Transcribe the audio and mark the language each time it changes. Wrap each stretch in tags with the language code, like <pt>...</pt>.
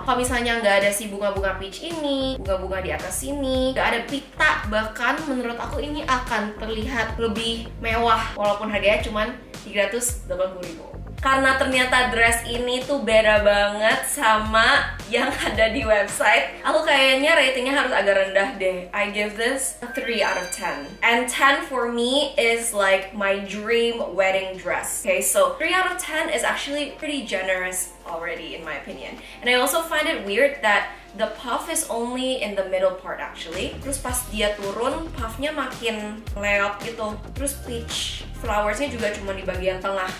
<id>Kalau misalnya nggak ada si bunga-bunga peach ini, bunga-bunga di atas sini, nggak ada pita, bahkan menurut aku ini akan terlihat lebih mewah. Walaupun harganya cuma 380.000. Karena ternyata dress ini tuh beda banget sama yang ada di website, aku kayaknya ratingnya harus agak rendah deh.</id> <en>I give this a 3 out of 10. And 10 for me is like my dream wedding dress. Okay, so 3 out of 10 is actually pretty generous already in my opinion. And I also find it weird that the puff is only in the middle part actually.</en> <id>Terus pas dia turun, puffnya makin layout gitu. Terus peach flowersnya juga cuma di bagian tengah.</id>